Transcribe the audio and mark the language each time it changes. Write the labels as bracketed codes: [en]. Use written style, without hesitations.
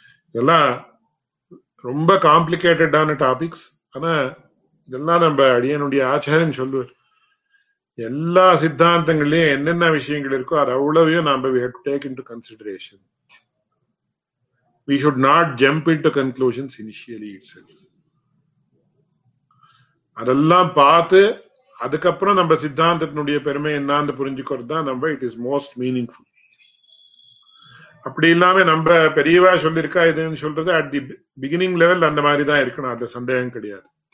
[ta] இதெல்லாம் ரொம்ப காம்ப்ளிகேட்டடான டாபிக்ஸ், ஆனா இதெல்லாம் நம்ம அடியனுடைய ஆச்சாரியன் சொல்லுவார். எல்லா சித்தாந்தங்கள்லயும் என்னென்ன விஷயங்கள் இருக்கோ அது அவ்வளவையும் நம்ம [en] we have to take into consideration. We should not jump into conclusions initially itself. [ta] அதெல்லாம் பார்த்து அதுக்கப்புறம் நம்ம சித்தாந்தத்தினுடைய பெருமை என்னான்னு புரிஞ்சுக்கிறது தான் நம்ம [en] It is most meaningful. [ta] அப்படி இல்லாம நம்ம பெரியவா சொல்லியிருக்கா இதுன்னு சொல்றது [en] at the beginning level [ta] அந்த மாதிரிதான் இருக்கணும், அதுல சந்தேகம் கிடையாது.